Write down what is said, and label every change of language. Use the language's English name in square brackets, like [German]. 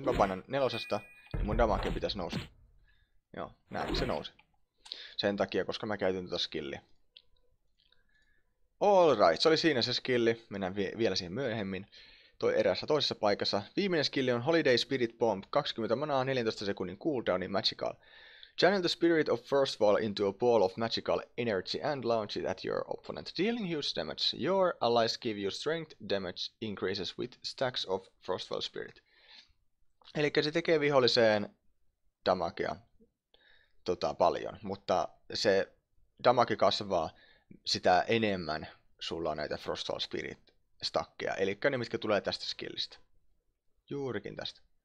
[Finnish] Mä painan nelosesta. Ja mun damage pitäis nousta. Joo, näin se nousi. Sen takia, koska mä käytin tuota skilliä. [English] All right, [Finnish] se oli siinä se skilli. Mennään vielä siihen myöhemmin. Toi erässä toisessa paikassa. Viimeinen skilli on Holiday Spirit Bomb. 20 manaa, 14 sekunnin cooldowni magical. [English] Channel the spirit of first wall into a ball of magical energy and launch it at your opponent, dealing huge damage. Your allies give you strength damage increases with stacks of first wall spirit. [Finnish] Eli se tekee viholliseen damagea. Paljon, mutta se damage kasvaa sitä enemmän sulla on näitä Frostfall Spirit stakkeja, eli ne mitkä tulee tästä skillistä. Juurikin tästä.